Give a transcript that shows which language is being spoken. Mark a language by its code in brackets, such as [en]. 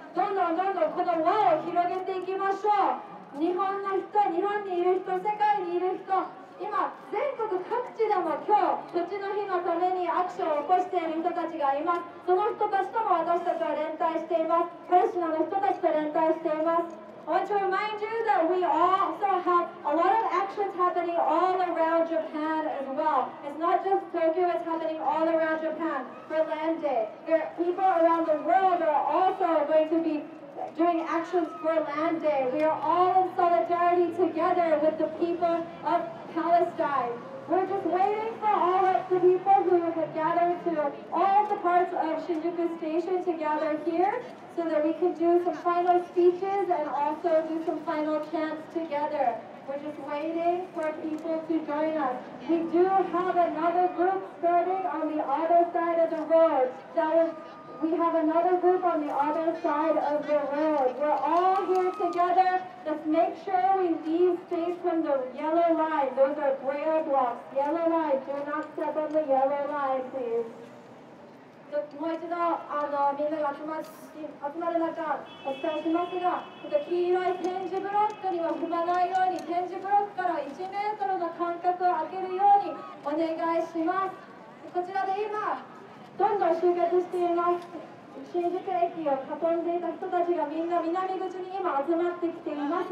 [ja] どんどんどんどんこの輪を広げていきましょう。日本の人、日本にいる人、世界にいる人、今全国各地でも今日土地の日のためにアクションを起こしている人たちがいます。その人たちとも私たちは連帯しています。パレスチナの人たちと連帯しています。 [en] I want to remind you that we also have a lot of actions happening all around Japan as well. It's not just Tokyo, it's happening all around Japan for Land Day. People around the world are also going to be doing actions for Land Day. We are all in solidarity together with the people of Palestine. We're just waiting for all of the people who have gathered to all the parts of Shinjuku Station to gather here. So that we can do some final speeches and also do some final chants together. We're just waiting for people to join us. We do have another group starting on the other side of the road. We have another group on the other side of the road. We're all here together. Let's make sure we leave space from the yellow line. Those are rail blocks. Yellow line, do not step on the yellow line, please. [ja] もう一度みんなが集まる中お伝えしますが、黄色い展示ブロックには踏まないように、展示ブロックから1メートルの間隔を空けるようにお願いします。こちらで今どんどん集結しています。新宿駅を囲んでいた人たちがみんな南口に今集まってきています。